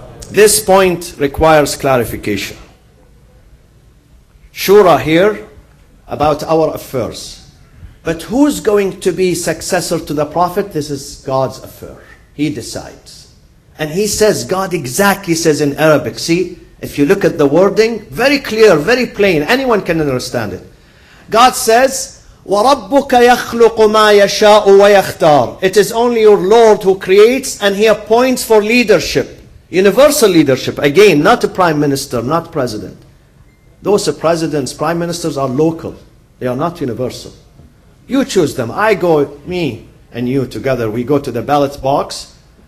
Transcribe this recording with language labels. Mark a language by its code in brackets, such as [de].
[en] This point requires clarification. Shura here about our affairs. But who's going to be successor to the Prophet? This is God's affair. He decides. And he says, God exactly says in Arabic, see, if you look at the wording, very clear, very plain, anyone can understand it. God says, [ar] وَرَبُّكَ يَخْلُقُ مَا يَشَاءُ وَيَخْتَارُ. [en] It is only your Lord who creates, and he appoints for leadership. Universal leadership, again, not a prime minister, not president. Those are presidents, prime ministers are local. They are not universal. You choose them. I go, me and you together, we go to the ballot box.